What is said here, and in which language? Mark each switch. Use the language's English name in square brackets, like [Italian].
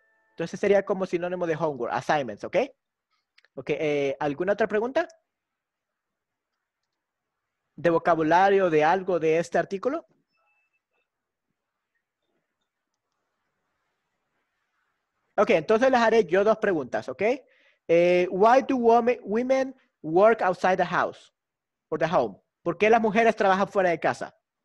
[Spanish] Entonces, sería como sinónimo de homework, assignments, ¿ok? Ok, ¿alguna otra pregunta? ¿De vocabulario, de algo de este artículo? Ok, entonces les haré yo dos preguntas, ¿ok? [English] Why do women work outside the house or the home? [Spanish] ¿Por qué las mujeres trabajan fuera de casa?